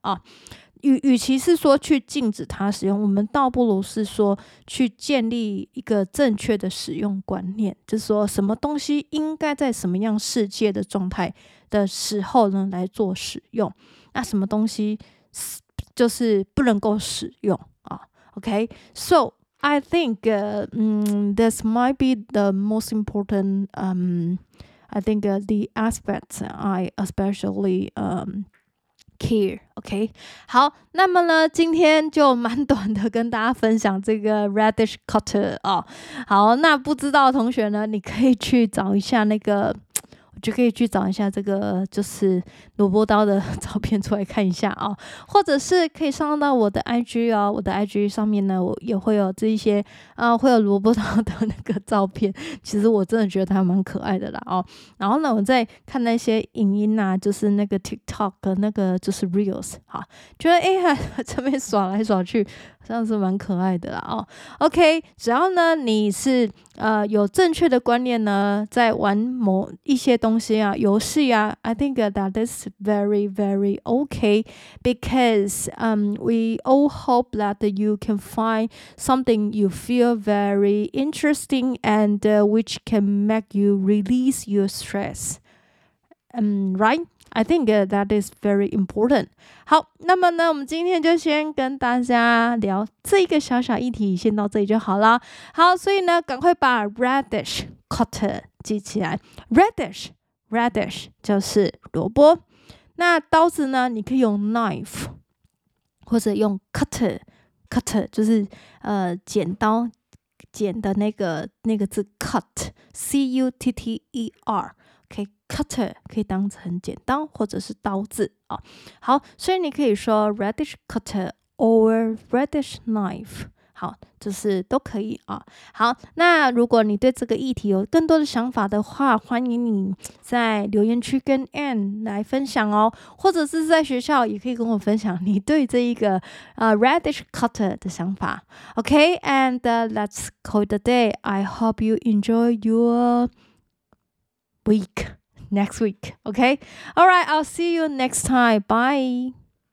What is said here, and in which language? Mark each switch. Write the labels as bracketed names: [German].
[Chinese] 啊，与其是说去禁止它使用，我们倒不如是说去建立一个正确的使用观念，就是说什么东西应该在什么样世界的状态的时候呢来做使用，那什么东西就是不能够使用啊 ？OK， so。 [English] I think this might be the most important, I think the aspects I especially care, okay? [Chinese] 好，那么呢，今天就蛮短的跟大家分享这个 radish cutter 啊、哦。好，那不知道同学呢，你可以去找一下那个，我就可以去找一下这个就是萝卜刀的照片出来看一下啊、哦，或者是可以上到我的 IG 哦，我的 IG 上面呢，我也会有这一些啊、会有萝卜刀的那个照片，其实我真的觉得它蛮可爱的啦哦。然后呢，我在看那些影音啊，就是那个 TikTok 跟那个就是 Reels 啊，觉得哎呀，这边耍来耍去。这样是蛮可爱的啦哦 ，OK， 只要呢你是有正确的观念呢，在玩某一些东西啊、游戏啊 [English] ，I think that is very very okay because we all hope that you can find something you feel very interesting and which can make you release your stress, right? I think that is very important. [Chinese] 好，那么呢，我们今天就先跟大家聊这个小小议题，先到这里就好了。好，所以呢，赶快把 radish cutter 记起来。 radish 就是萝卜。那刀子呢，你可以用 knife 或者用 cutter 就是剪刀剪的那个字 cut c u t t e r。 Okay, cutter 可以当成剪刀或者是刀子、哦、好，所以你可以说 radish cutter or radish knife， 好，就是都可以、哦、好，那如果你对这个议题有更多的想法的话，欢迎你在留言区跟 Anne 来分享哦，或者是在学校也可以跟我分享你对这一个、radish cutter 的想法。 [English] OK, and let's call the day. I hope you enjoy your week next week. Okay. All right. I'll see you next time. Bye.